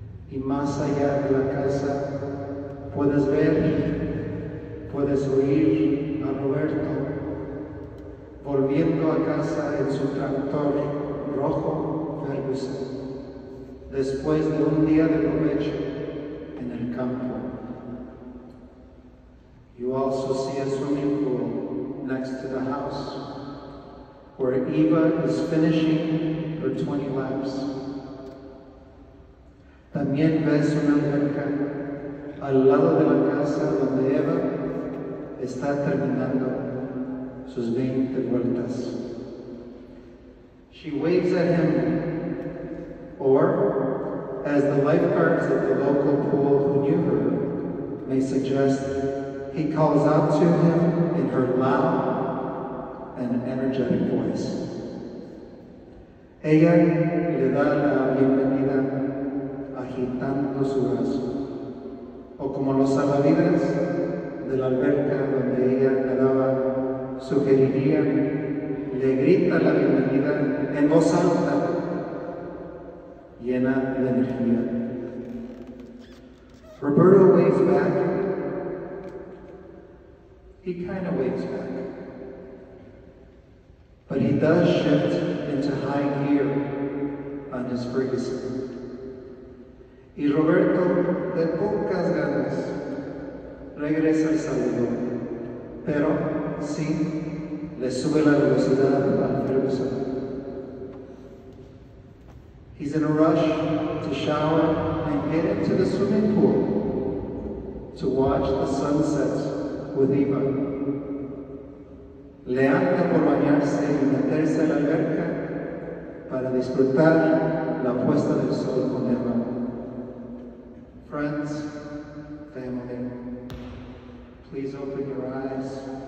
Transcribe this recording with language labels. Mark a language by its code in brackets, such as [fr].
[es] Y más allá de la casa, puedes ver, puedes oír a Roberto volviendo a casa en su tractor rojo Ferguson después de un día de provecho en el campo. [en] You also see a swimming pool next to the house where Eva is finishing her 20 laps. [es] También ves una alberca al lado de la casa donde Eva está terminando sus 20 vueltas. [en] She waves at him, or as the lifeguards at the local pool who knew her may suggest, he calls out to him in her loud and energetic voice. [es] Ella le da la bienvenida agitando su brazo, o como los salvavidas de la alberca donde ella nadaba sugerirían, le grita la bienvenida en voz alta, llena de energía. [en] Roberto waves back. He kind of waves back, but he does shift into high gear on his Ferguson. [es] Y Roberto, de pocas ganas, regresa el saludo, pero sí le sube la velocidad al Ferguson. [en] He's in a rush to shower and head into the swimming pool to watch the sunset with Eva. [es] Le anda por bañarse y meterse en la alberca para disfrutar la puesta del sol con Eva. [en] Friends, family, please open your eyes.